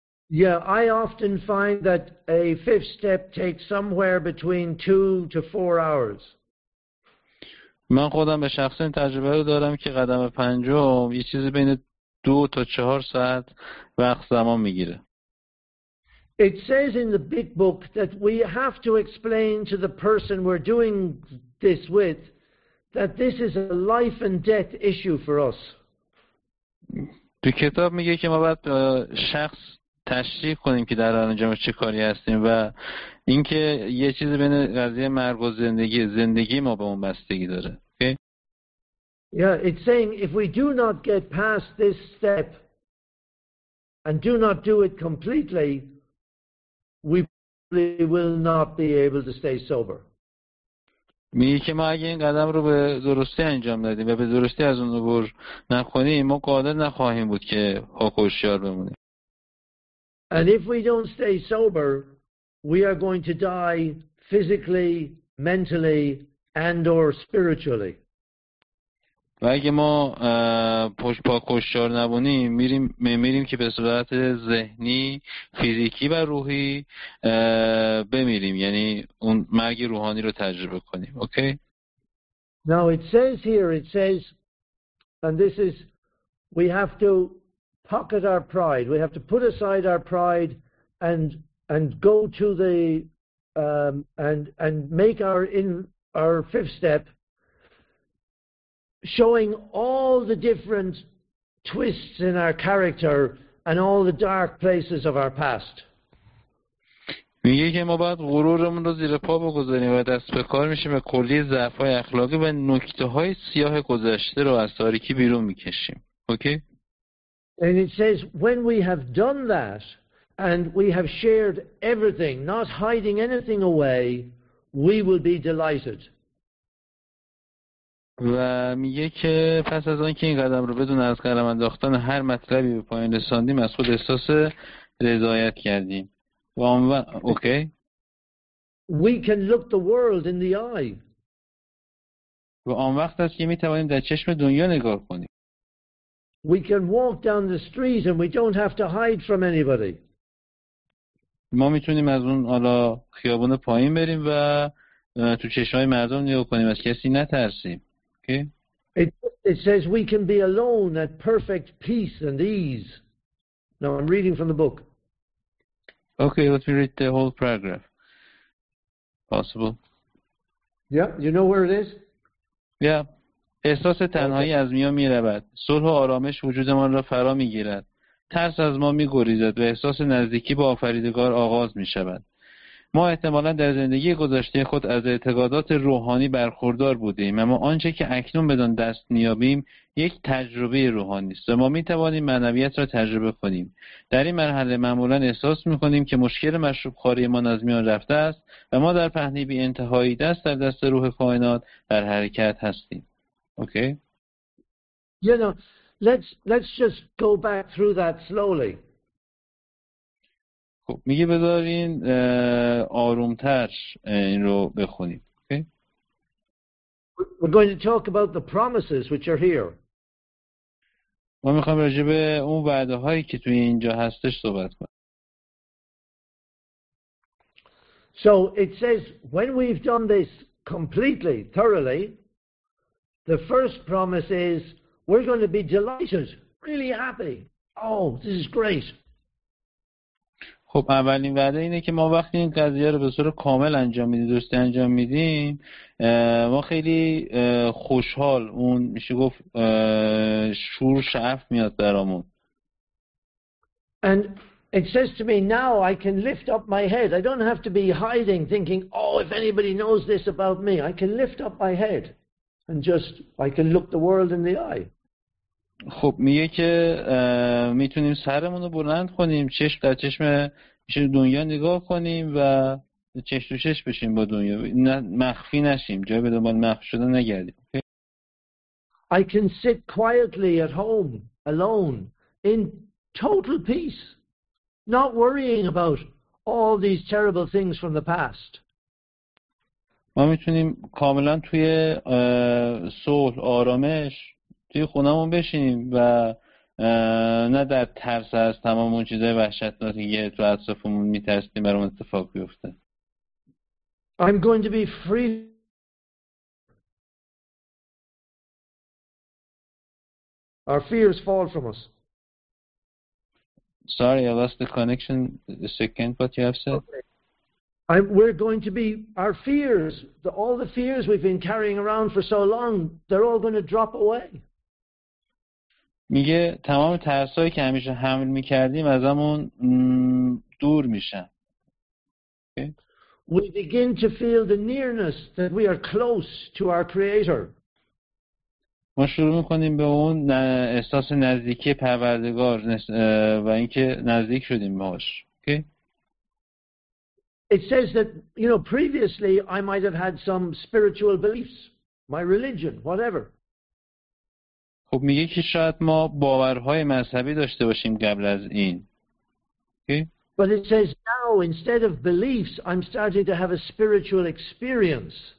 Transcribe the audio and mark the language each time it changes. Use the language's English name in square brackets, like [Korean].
[English] Yeah, I often find that a fifth step takes somewhere between 2 to 4 hours. [Persian] من خودم به شخصه این تجربه رو دارم که قدم پنجم یه چیزی بین 2 تا 4 ساعت وقت زمان میگیره. [English] It says in the big book that we have to explain to the person we're doing this with that this is a life and death issue for us. [Persian] تو کتاب میگه که ما باید شخص تشریح کنیم که در انجام چه کاری هستیم و اینکه یه چیزی بین قضیه مرگ و زندگی زندگی ما به اون بستگی داره. [English] Okay. Yeah, it's saying if we do not get past this step and do not do it completely, we probably will not be able to stay sober. [Persian] میگه که ما اگه این قدم رو به درستی انجام ندیم و به درستی از اون عبور نکنیم ما قادر نخواهیم بود که هوشیار بمونیم. [English] And if we don't stay sober, we are going to die physically, mentally, and or spiritually. [Persian] و اگه ما پشت پا کشتار نبونیم میمیریم که به صورت ذهنی، فیزیکی و روحی بمیریم. یعنی اون مرگ روحانی رو تجربه کنیم. Okay? [English] Now it says here, it says, and this is We have to pocket our pride. We have to put aside our pride and go to the and make our fifth step, showing all the different twists in our character and all the dark places of our past. [Persian] میگه که ما باید غرورمون رو زیر پا بگذاریم و دست به کار میشیم و کلی ضعف‌های اخلاقی و نکته‌های سیاه گذشته رو از تاریکی بیرون میکشیم. [English] Okay? And it says when we have done that and we have shared everything, not hiding anything away, we will be delighted. [Persian] و میگه که پس از آنکه این قدم رو بدون از قلم انداختن هر مطلبی به پایان رساندیم از خود احساس رضایت کردیم. [English] Okay. We can look the world in the eye. [Persian] و آن وقت است که می توانیم در چشم دنیا نگاه کنیم. [English] We can walk down the street and we don't have to hide from anybody. [Persian] ما می توانیم از اون حالا خیابون پایین بریم و تو چشم های مردم نگاه کنیم، از کسی نترسیم. [English] Okay. It says we can be alone at perfect peace and ease. Now I'm reading from the book. Okay, let me read the whole paragraph. Possible? Yeah, you know where it is? Yeah. [Persian] احساس تنهایی از میان می رود. صلح و آرامش وجود من را فرا می گیرد. ترس از ما می گریزد و احساس نزدیکی با آفریدگار آغاز می شود. ما احتمالا در زندگی گذشته خود از اعتقادات روحانی برخوردار بودیم، اما آنچه که اکنون بدان دست نیابیم یک تجربه روحانی است و ما می توانیم معنویت را تجربه کنیم. در این مرحله معمولا احساس می کنیم که مشکل مشروب خواری ما از میان رفته است و ما در پهنه بی انتهایی دست در دست روح کائنات در حرکت هستیم. [English] Okay. You know, let's just go back through that slowly. [Persian] خب میگه بذارین آرومتر این رو بخونیم. [English] Okay. We're going to talk about the promises which are here. [Persian] ما میخوام راجع به اون وعده هایی که توی اینجا هستش صحبت کنیم. [English] So it says when we've done this completely, thoroughly, the first promise is we're going to be delighted, really happy. Oh, this is great. [Persian] خب اولین وعده اینه که ما وقتی این قضیه رو به صورت کامل انجام میدیم، درست انجام میدیم، ما خیلی خوشحال، اون میشه گفت شور شعف میاد برامون. [English] And it says to me now I can lift up my head. I don't have to be hiding thinking, oh, if anybody knows this about me, I can lift up my head. And just I can look the world in the eye. [Persian] خب میگه که میتونیم سرمون رو بلند کنیم، چشم در چشم دنیا نگاه کنیم و چشم تو چشم بشیم با دنیا، مخفی نشیم، جای به دنبال مخفی شدن نگردیم. [English] I can sit quietly at home alone in total peace, not worrying about all these terrible things from the past. [Persian] ما میتونیم کاملا توی صلح آرامش توی خونمون بشینیم و نه در ترس از تمام اون چیزای وحشتناکی که تو اطرافمون میترسیم برامون اتفاق بیفته. [English] I'm going to be free. Our fears fall from us. Sorry, I lost the connection the second what you have said. Okay. We're going to be our fears, all the fears we've been carrying around for so long, they're all going to drop away. [Persian] میگه تمام ترسایی که همیشه حمل میکردیم از همون دور میشن. [English] We begin to feel the nearness that we are close to our creator. [Persian] ما شروع میکنیم به اون احساس نزدیکی پروردگار و اینکه نزدیک شدیم باهاش. [English] Okay. It says that, you know, previously I might have had some spiritual beliefs, my religion, whatever. [Persian] خب میگه که شاید ما باورهای مذهبی داشته باشیم قبل از این. [English] Okay. But it says now instead of beliefs I'm starting to have a spiritual experience.